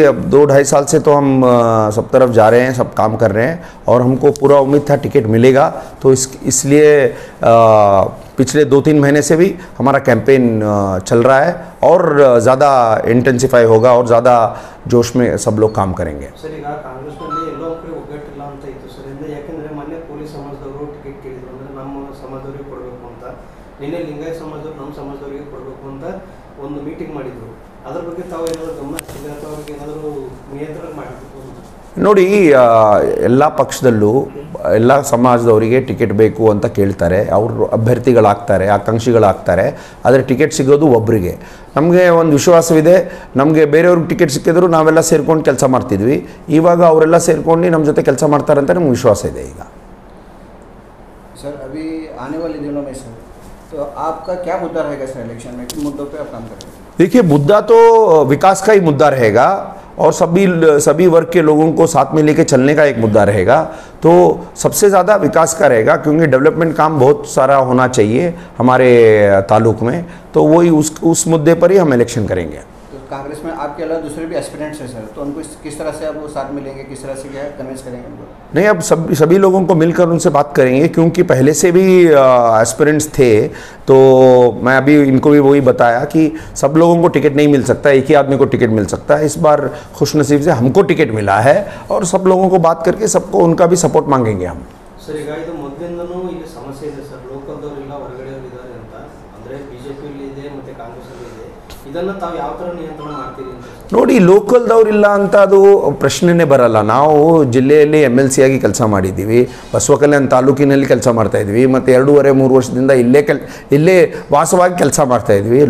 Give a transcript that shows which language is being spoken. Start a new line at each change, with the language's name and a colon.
Hindi: अब 2-2.5 साल से तो हम सब तरफ जा रहे हैं, सब काम कर रहे हैं और हमको पूरा उम्मीद था टिकट मिलेगा। तो इसलिए पिछले 2-3 महीने से भी हमारा कैंपेन चल रहा है और ज़्यादा इंटेंसिफाई होगा और ज़्यादा जोश में सब लोग काम करेंगे।
Kannada: ಸರ್ ಈಗ ಕಾಂಗ್ರೆಸ್ ನಲ್ಲಿ ಎಲ್ಲೋ ಕಡೆ ಒಗ್ಗಟ್ಟಿಲ್ಲ ಅಂತ ಇತ್ತು ಸರ್, ಇಂದ ಯಾಕಂದ್ರೆ ಮೊನ್ನೆ ಕೋಲಿ ಸಮಾಜದವರು ಟಿಕೆಟ್ ಕೇಳಿದ್ರು ಅಂದ್ರೆ ನಮ್ಮ ಸಮಾಜದವರಿಗೆ ಕೊಡಬೇಕು ಅಂತ, ನಿನ್ನೆ ಲಿಂಗಾಯತ ಸಮಾಜದವರು ನಮ್ಮ ಸಮಾಜದವರಿಗೆ ಕೊಡಬೇಕು ಅಂತ ಒಂದು ಮೀಟಿಂಗ್ ಮಾಡಿದ್ರು. ಅದರ ಬಗ್ಗೆ ತಾವು ಏನಾದರೂ ಗಮನ ಹರಿಸಿದ್ರೆ ಅಥವಾ ಅವ್ರಿಗೆ ಏನಾದರೂ ನಿಯಂತ್ರಣ ಮಾಡಿದ್ರು? ನೋಡಿ, ಎಲ್ಲ ಪಕ್ಷದಲ್ಲೂ ಎಲ್ಲ ಸಮಾಜದವರಿಗೆ ಟಿಕೆಟ್ ಬೇಕು ಅಂತ ಕೇಳ್ತಾರೆ, ಅವರು ಅಭ್ಯರ್ಥಿಗಳಾಗ್ತಾರೆ, ಆಕಾಂಕ್ಷಿಗಳಾಗ್ತಾರೆ. ಆದರೆ ಟಿಕೆಟ್ ಸಿಗೋದು ಒಬ್ಬರಿಗೆ. ನಮಗೆ ಒಂದು ವಿಶ್ವಾಸವಿದೆ, ನಮಗೆ ಬೇರೆಯವ್ರಿಗೆ ಟಿಕೆಟ್ ಸಿಕ್ಕಿದ್ರು ನಾವೆಲ್ಲ ಸೇರ್ಕೊಂಡು ಕೆಲಸ ಮಾಡ್ತಿದ್ವಿ. ಇವಾಗ ಅವರೆಲ್ಲ ಸೇರ್ಕೊಂಡು ನಮ್ಮ ಜೊತೆ ಕೆಲಸ ಮಾಡ್ತಾರಂತ ನಮ್ಗೆ ವಿಶ್ವಾಸ ಇದೆ. ಈಗ
Hindi: ಸರ್ ಅಭಿ ಆನೆ ವಾಲಿ ದಿನ ಸರ್ ತೊ ಆಪ್ಕಾ ಕ್ಯಾ ಮುದ್ದಾ ರಹೇಗಾ ಸರ್ ಎಲೆಕ್ಷನ್ ಮೇ ಕಿ ಮುದ್ದೋ ಪೇ ಆಪ್ ಕಾಮ್ ಕರೇಂಗೆ? देखिए, मुद्दा तो विकास का ही मुद्दा रहेगा और सभी सभी वर्ग के लोगों को साथ में लेके चलने का एक मुद्दा रहेगा। तो सबसे ज़्यादा विकास का रहेगा क्योंकि डेवलपमेंट काम बहुत सारा होना चाहिए हमारे तालुक में। तो वही उस मुद्दे पर ही हम इलेक्शन करेंगे। कांग्रेस में आपके अलावा दूसरे भी एस्पिरेंट्स हैं सर, तो उनको किस तरह से आप वो साथ मिलेंगे, किस तरह से क्या कन्विंस करेंगे उनको? नहीं, अब सब सभी लोगों को मिलकर उनसे बात करेंगे क्योंकि पहले से भी एस्पिरेंट्स थे। तो मैं अभी इनको भी वही बताया कि सब लोगों को टिकट नहीं मिल सकता, एक ही आदमी को टिकट मिल सकता है। इस बार खुशनसीब से हमको टिकट मिला है और सब लोगों को बात करके सबको उनका भी सपोर्ट मांगेंगे हम।
Kannada: ಸರ್ ಈಗ ಇದು ಮೊದಲಿಂದನೂ ಇಲ್ಲಿ ಸಮಸ್ಯೆ ಇದೆ ಸರ್, ಲೋಕದವರೆಲ್ಲ ಹೊರಗಡೆ ಅವರಿದ್ದಾರೆ ಅಂತ, ಅಂದರೆ ಬಿಜೆಪಿಯಲ್ಲಿ ಇದೆ ಮತ್ತು ಕಾಂಗ್ರೆಸ್ಸಲ್ಲಿ ಇದೆ, ಇದನ್ನು ತಾವು ಯಾವ ಥರ ನಿಯಂತ್ರಣ ಮಾಡ್ತೀರಿ ಅಂತ? ನೋಡಿ, ಲೋಕಲ್ದವರಿಲ್ಲ ಅಂತ ಅದು ಪ್ರಶ್ನೆನೇ ಬರಲ್ಲ. ನಾವು ಜಿಲ್ಲೆಯಲ್ಲಿ MLC ಆಗಿ ಕೆಲಸ ಮಾಡಿದ್ದೀವಿ, ಬಸವಕಲ್ಯಾಣ ತಾಲೂಕಿನಲ್ಲಿ ಕೆಲಸ ಮಾಡ್ತಾ ಇದ್ದೀವಿ, ಮತ್ತು 2.5-3 ವರ್ಷದಿಂದ ಇಲ್ಲೇ ವಾಸವಾಗಿ ಕೆಲಸ ಮಾಡ್ತಾ ಇದ್ದೀವಿ.